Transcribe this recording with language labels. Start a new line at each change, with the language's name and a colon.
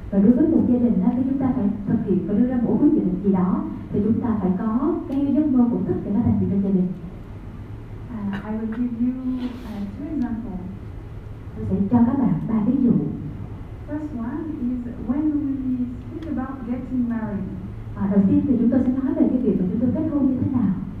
Vietnamese: Và đối với một gia đình thì chúng ta phải thực hiện và đưa ra mỗi quyết định gì đó thì chúng ta phải có cái giấc mơ cũng thức để nó thành hiện trong gia đình.
English: I will give you two examples.
Vietnamese: Tôi sẽ cho các bạn ba ví dụ.
English: First one is when we speak about getting married.
Vietnamese: Đầu tiên thì chúng tôi sẽ nói về cái việc mà chúng tôi kết hôn như thế nào.